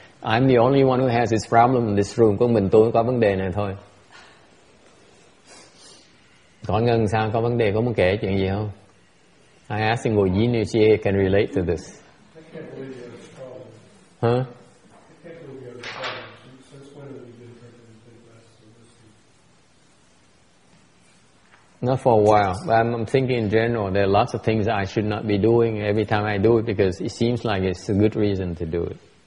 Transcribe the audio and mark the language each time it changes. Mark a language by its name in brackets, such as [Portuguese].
[English] I'm the only one who has this problem in this room. [Vietnamese] Có mình tôi có vấn đề này thôi. Có Ngân sao? Có vấn đề? Có muốn kể chuyện gì không? [English] I ask single Yin if she can relate to this. I can't believe you have a problem. Huh? I can't believe you have a problem. Since when have you been drinking big glasses of whiskey? Not for a while. But I'm thinking in general, there are lots of things that I should not be doing every time I do it, because it seems like it's a good reason to do it.